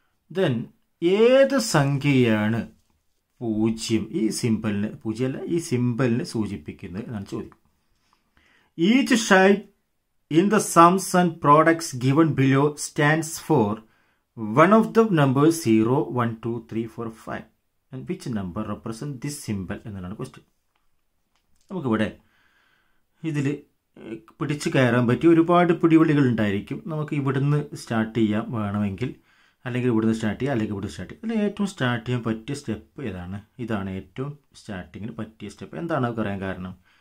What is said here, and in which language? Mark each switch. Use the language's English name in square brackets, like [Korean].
[Malayalam] Then ഏത് സംഖ്യയാണ് 0 ഈ സിമ്പിളിന്, 0 അല്ല ഈ സിമ്പിളിന് സൂചിപ്പിക്കുന്നത് എന്നാണ് ചോദ്യം. [English] Each shape in the sums and products given below stands for one of the numbers 0, 1, 2, 3, 4, 5. And which number represent this symbol? [Malayalam] എന്നുള്ളതാണ് ക്വസ്റ്റ്യൻ. നമുക്കിവിടെ ഇതിൽ പിടിച്ച് കയറാൻ പറ്റിയ ഒരുപാട് പിടിവിളികൾ ഉണ്ടായിരിക്കും. നമുക്ക് ഇവിടുന്ന് സ്റ്റാർട്ട് ചെയ്യാം വേണമെങ്കിൽ, അല്ലെങ്കിൽ ഇവിടുന്ന് സ്റ്റാർട്ട് ചെയ്യാം, അല്ലെങ്കിൽ ഇവിടുന്ന് സ്റ്റാർട്ട് ചെയ്യാം. ഇതിൽ ഏറ്റവും സ്റ്റാർട്ട് ചെയ്യാൻ പറ്റിയ സ്റ്റെപ്പ് ഏതാണ്? ഇതാണ് ഏറ്റവും സ്റ്റാർട്ടിങ്ങിന് പറ്റിയ സ്റ്റെപ്പ്. എന്താണ് പറയാൻ കാരണം?